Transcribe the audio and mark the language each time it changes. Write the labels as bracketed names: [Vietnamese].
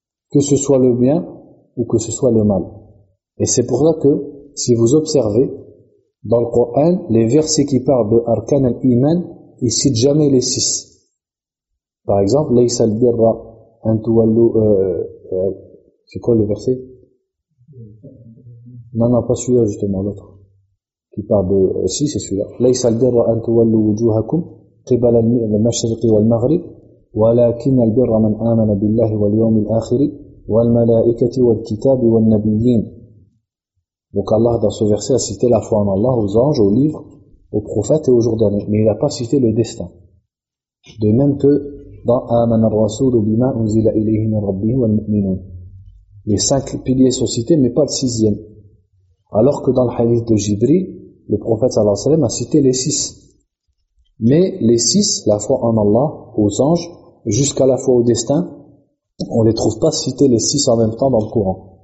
[French] Que ce soit le bien ou que ce soit le mal. Et c'est pour ça que, si vous observez, dans le Coran, les versets qui parlent de Arkan al-Iman, ils ne citent jamais les six. Par exemple, [Arabic] Laysa al-Birra, Antuwallu, [French] c'est quoi le verset? Non, pas celui-là justement, l'autre. Qui parle de, si, c'est celui-là. [Arabic] Laysa al-Birra, Antuwallu, Wujuhakum, Qibala al-Mashriqi wal-Maghrib, ولكن البر من آمن بالله واليوم الآخر والملائكة والكتاب والنبيين. [French] Donc Allah dans ce verset a cité la foi en Allah, aux anges, aux livres, aux prophètes et aux jours derniers. Mais il n'a pas cité le destin. De même que dans [Arabic] آمن الرسول بما أنزل إليه من ربه والمؤمنون. [French] Les cinq piliers sont cités, mais pas le sixième. Alors que dans le hadith de Jibril, le prophète sallallahu alayhi wa sallam a cité les six. Mais les six, la foi en Allah, aux anges, jusqu'à la foi au destin, on ne les trouve pas cités les six en même temps dans le Coran.